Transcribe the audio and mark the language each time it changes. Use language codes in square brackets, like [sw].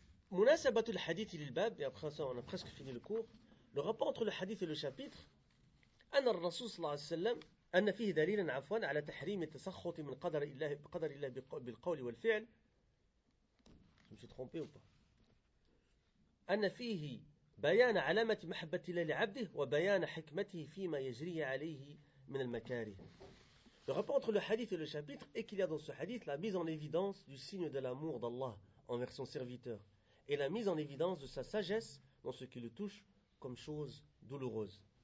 [ar] Munasabat al-hadith il-bab, [fr] et après ça on a presque fini le cours, le rapport entre le hadith et le chapitre, [ar] أن الرسول صلى الله عليه وسلم أن فيه دليلا عفوا على تحريم التسخط من قدر الله بقدر الله بالقول والفعل. أن فيه بيان علامة محبة الله لعبده وبيان حكمته فيما يجري عليه من المكاره. [fr] Le rapport entre le hadith et le chapitre est qu'il y a dans ce hadith la mise en évidence du signe de l'amour d'Allah envers son serviteur et la mise en évidence de sa sagesse dans ce qui le touche comme chose douloureuse.